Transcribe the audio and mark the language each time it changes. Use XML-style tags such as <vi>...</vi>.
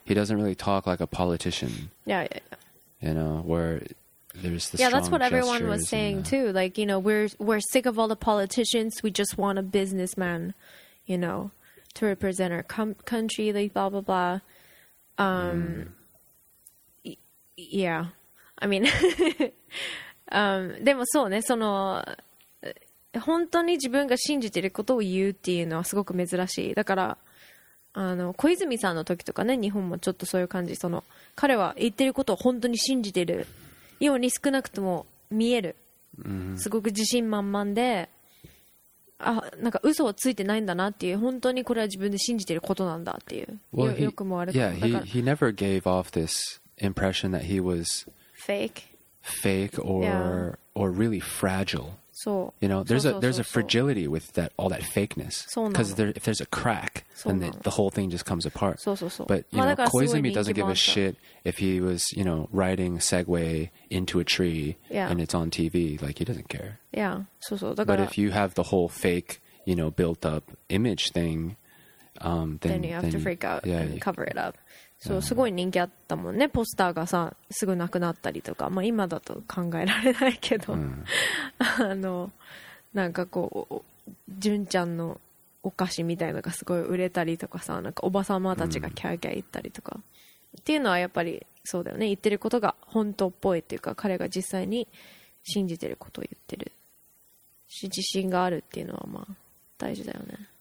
<en>He doesn't really talk like a politician. Yeah. You know, where there's the strong that's what everyone was saying too. Like, you know, we're sick of all the politicians. We just want a businessman. You know, to represent our country, like blah, blah, blah. Yeah.</en> <ja>I mean, でもそうね、その、本当に自分が信じてることを言うっていうのはすごく珍しい。だから、小泉さんの時とかね、日本もちょっとそういう感じ、その、彼は言ってることを本当に信じてるように少なくとも見える。すごく自信満々で、</ja> <en>Well, he never gave off this impression that he was fake. fake or really fragile. So, you know, there's a fragility with that, all that fakeness. Because if there's a crack, then the whole thing just comes apart.</en> <ja>そうそうそう.</ja> <en>But, you know, Koizumi doesn't give a shit if he was, you know, riding Segway into a tree and it's on TV. Like, he doesn't care.</en> <ja>Yeah. そうそう。だから...</ja> <en>But if you have the whole fake, you know, built up image thing, then you have to freak out and cover it up.</en> <ja>そう、すごい人気あったもんね。ポスターがさ、すぐなくなったりとか、まあ、今だと考えられないけど、あの、なんかこう、純ちゃんのお菓子みたいのがすごい売れたりとかさ、なんかおばさまたちがキャーキャー言ったりとか、っていうのはやっぱりそうだよね。言ってることが本当っぽいっていうか、彼が実際に信じてることを言ってるし、自信があるっていうのはまあ大事だよね。</ja>